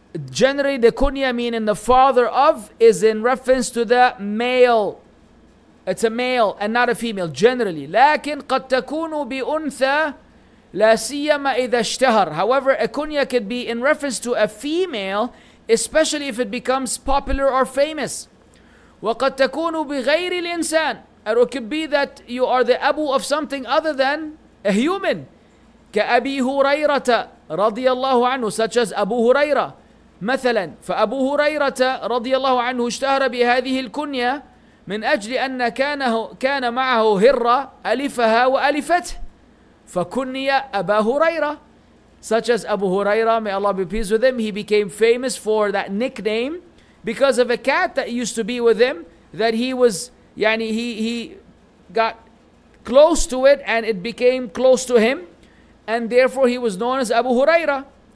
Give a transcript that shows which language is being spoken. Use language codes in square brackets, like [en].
[en] Generally speaking, the kunya, meaning the father of, is in reference to the male. It's a male and not a female, generally. [ar] لكن قد تكون بأنثى لا سيما إذا اشتهر. [en] However, a kunya could be in reference to a female, especially if it becomes popular or famous. [ar] وقد تكون بغير الإنسان. [en] And it could be that you are the abu of something other than a human. [ar] كأبي هريرة رضي الله عنه, [en] such as Abu Huraira. [ar] مثلا, فأبو هريرة رضي الله عنه اشتهر بهذه الكنية من أجل أن كان معه هرة ألفها وألفته. فَكُنِّيَ أَبَا هُرَيْرَةَ, [en] such as Abu Huraira, may Allah be pleased with him. He became famous for that nickname because of a cat that used to be with him, that he was, yani he got close to it and it became close to him, and therefore he was known as Abu Huraira.